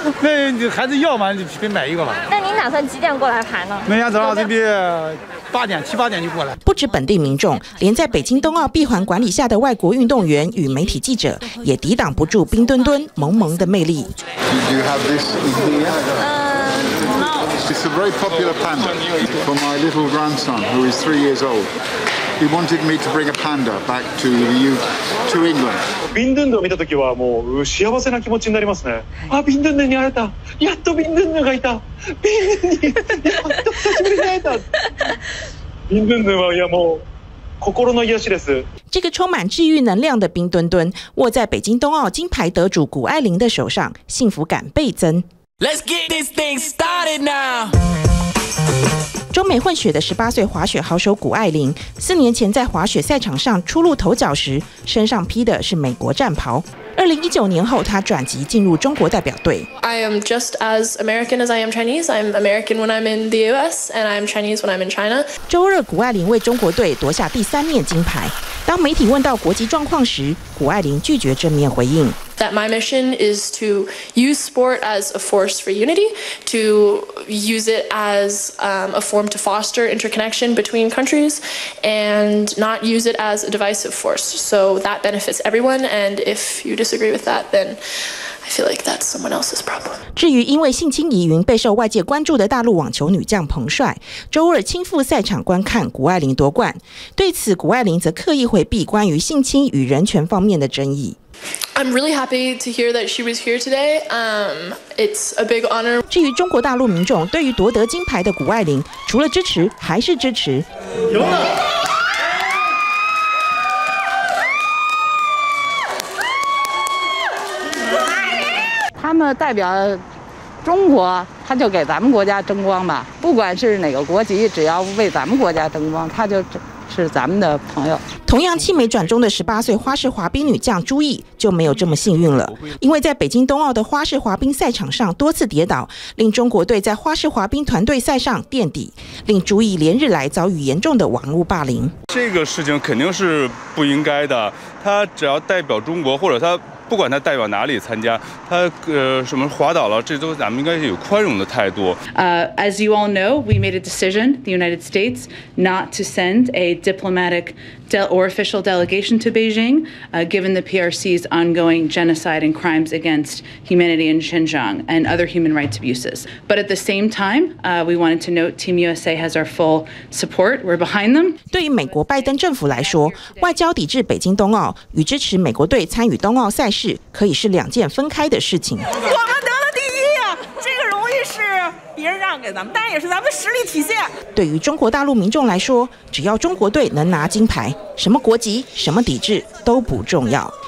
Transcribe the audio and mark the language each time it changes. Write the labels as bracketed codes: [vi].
[zh] 那你孩子要吗？你别买一个吧。那您打算几点过来排呢？明天早上这边7-8点就过来。不止本地民众，连在北京冬奥闭环管理下的外国运动员与媒体记者也抵挡不住冰墩墩萌萌的魅力。 [en] Did you have this in here? It's a very popular panda for my little grandson who is 3 years old. He wanted me to bring a panda back to England. [ja] 冰墩墩見た時はもう幸せな気持ちになりますね。あ、冰墩墩に会えた。やっと冰墩墩がいた。冰墩墩に、やっと久しぶりに会えた。冰墩墩はいやもう。心の癒しです。 [zh] 这个充满治愈能量的冰墩墩握在北京冬奥金牌得主谷爱凌的手上，幸福感倍增。 [en] Let's get this thing started now。 [zh] 中美混血的18岁滑雪好手谷爱凌，4年前在滑雪赛场上初露头角时，身上披的是美国战袍。 2019年后，她转籍进入中国代表队。 [en] I am just as American as I am Chinese. I'm American when I'm in the U.S. and I'm Chinese when I'm in China. [zh] 周日，谷爱凌为中国队夺下第三面金牌。当媒体问到国籍状况时，谷爱凌拒绝正面回应。 [en] That my mission is to use sport as a force for unity, to use it as a form to foster interconnection between countries, and not use it as a divisive force. So that benefits everyone. And if you disagree with that, then I feel like that's someone else's problem. [zh] 至于因为性侵疑云备受外界关注的大陆网球女将彭帅，周二亲赴赛场观看谷爱凌夺冠。对此，谷爱凌则刻意回避关于性侵与人权方面的争议。 [en] I'm really happy to hear that she was here today. It's a big honor. [zh] 至于中国大陆民众对于夺得金牌的谷爱凌，除了支持还是支持。勇猛。他们代表中国，他就给咱们国家争光吧。不管是哪个国籍，只要为咱们国家争光，他就是咱们的朋友。同样青梅转中的18岁花式滑冰女将朱毅就没有这么幸运了，因为在北京冬奥的花式滑冰赛场上多次跌倒，令中国队在花式滑冰团队赛上垫底，令朱毅连日来遭遇严重的网络霸凌。这个事情肯定是不应该的，他只要代表中国，或者他不管他代表哪里参加，他什么滑倒了，这都咱们应该有宽容的态度。 [en] As you all know, we made a decision, the United States, not to send a diplomatic or official delegation to Beijing, given the PRC's ongoing genocide and crimes against humanity in Xinjiang and other human rights abuses. But at the same time, we wanted to note Team USA has our full support. We're behind them. [zh] 对于美国拜登政府来说，外交抵制北京冬奥与支持美国队参与冬奥赛事可以是两件分开的事情。我们得了第一啊，这个荣誉是别人让给咱们，但也是咱们实力体现。对于中国大陆民众来说，只要中国队能拿金牌，什么国籍、什么抵制都不重要。